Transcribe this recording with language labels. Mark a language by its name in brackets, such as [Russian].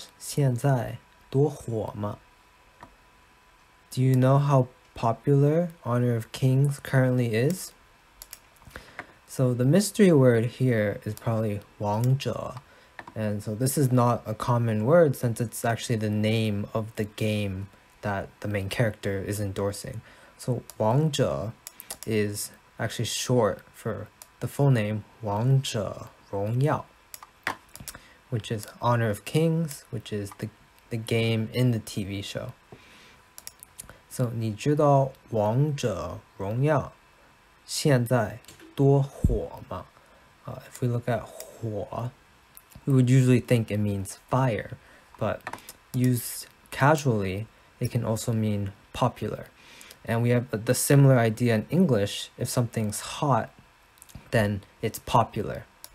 [Chinese] 你知道王者现在多火吗? [English] Do you know how popular Honor of Kings currently is? So the mystery word here is probably 王者. And so this is not a common word since it's actually the name of the game that the main character is endorsing. So 王者 is actually short for the full name 王者荣耀, which is Honor of Kings, which is the game in the TV show. [Chinese] So 你知道王者荣耀现在多火吗? [English] If we look at 火, we would usually think it means fire, but used casually, it can also mean popular. And we have the similar idea in English. If something's hot, then it's popular.